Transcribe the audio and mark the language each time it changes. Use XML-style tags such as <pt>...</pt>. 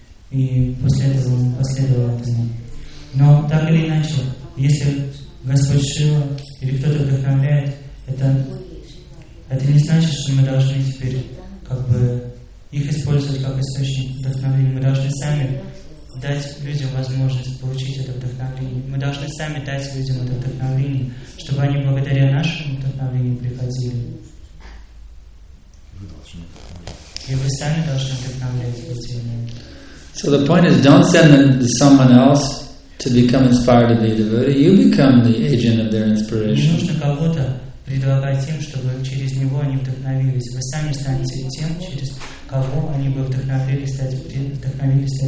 <ru>И последовал от него. Но так или иначе, если Господь Шива или кто-то вдохновляет, это не значит, что мы должны теперь как бы их использовать как источник вдохновения. Мы должны сами дать людям возможность получить это вдохновение. Мы должны сами дать людям это вдохновение, чтобы они благодаря нашему вдохновению приходили. И вы сами должны вдохновлять людей.</ru> <en>So the point is, don't send them to someone else to become inspired to be a devotee. You become the agent of their inspiration.</en> <ru>Не нужно кого-то предлагать тем, чтобы через него они вдохновились. Вы сами станете тем, через кого они бы вдохновились стать преданными.</ru>